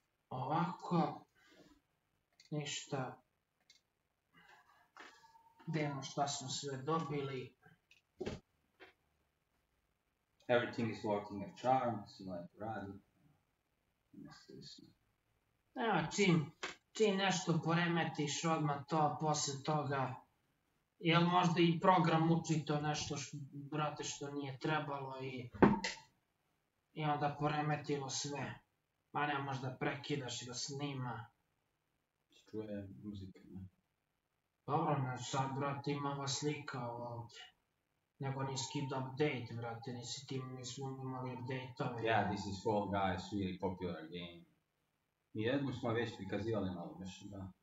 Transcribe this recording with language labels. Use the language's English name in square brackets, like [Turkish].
[Serbian] Ovako... Ništa... Demo šta smo sve dobili. [English] Everything is working a charm, so like, right? [Serbian] Evo, čim nešto poremetiš odmah to, posle toga... Jel možda i program uči to nešto, brate, što nije trebalo i onda poremetilo sve. Pa ne možda prekidaš i da snima. Čuje muzika, ne? Dobro, ne, sad, brate, ima ova slika ovdje. Nego ni skip update, brate, nisi tim, nismo imali update-ove. [English] Yeah, this is Fall Guys, really popular game. [Serbian] Mi jednu smo već prikazivali malo više, da.